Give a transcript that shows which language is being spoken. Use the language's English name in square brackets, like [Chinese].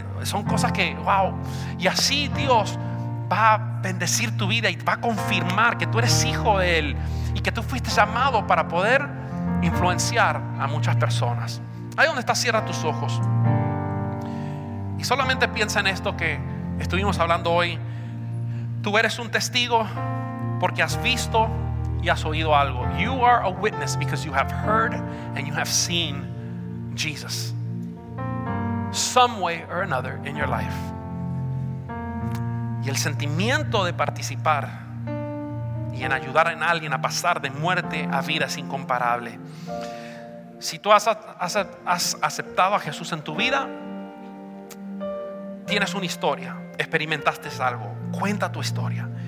[Spanish] Son cosas que, wow. Y así Dios va a bendecir tu vida y va a confirmar que tú eres hijo de Él y que tú fuiste llamado para poder influenciar a muchas personas. Ahí donde estás, cierra tus ojos y solamente piensa en esto que estuvimos hablando hoy. Tú eres un testigo porque has visto y has oído algo. [English] You are a witness because you have heard and you have seen Jesus some way or another in your life. [Spanish] Y el sentimiento de participar y en ayudar a alguien a pasar de muerte a vida es incomparable. Si tú has aceptado a Jesús en tu vida, tienes una historia, experimentaste algo, cuenta tu historia.